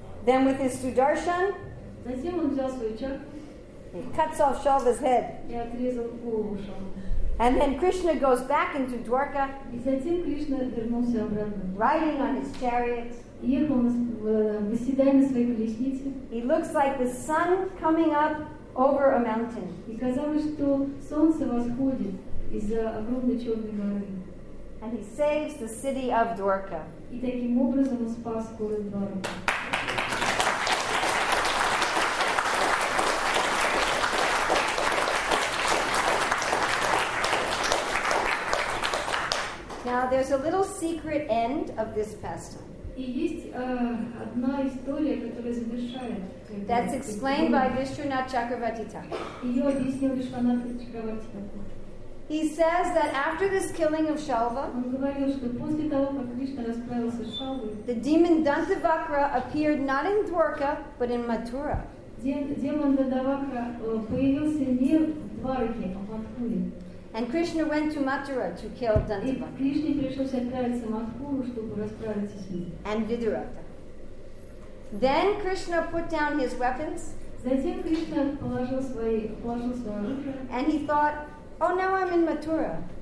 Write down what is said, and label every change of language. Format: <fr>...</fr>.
<en>Then with his Sudarshan,</en> <ru>затем он взял свою чакру.</ru> <en>He cuts off Shalva's head.</en> <ru>И отрезал голову Шалве.</ru> <en>And then Krishna goes back into Dwarka.</en> <ru>И затем Кришна вернулся обратно.</ru> <en>Riding on his chariot.</en> <ru>Ехал восседая на своей колеснице.</ru> <en>He looks like the sun coming up over a mountain.</en> <ru>И казалось, что солнце восходит из-за огромной черной горы.</ru> <en>And he saves the city of Dwarka.</en> <ru>И таким образом он спас город Дварка.</ru> <en>Now there's a little secret end of this pastime.</en> <ru>И есть одна история, которая завершает.</ru> <en>That's explained by Vishwanath Chakravartita.</en> <ru>Её объяснил Вишванат Чакравартита.</ru> <en>He says that after this killing of Shalva,</en> <ru>он говорил, что после того, как Кришна расправился с Шалвой,</ru> <en>the demon Dantavakra appeared not in Dwarka, but in Mathura.</en> <ru>Демон Дантавакра появился не в Двараке, а в Матхуре.</ru> <en>And Krishna went to Mathura to kill Dantavakra. And Vidurata. Then Krishna put down his weapons.</en> <ru>Затем Кришна положил свои оружие.</ru> <en>And he thought, "Oh, now I'm in Mathura."</en>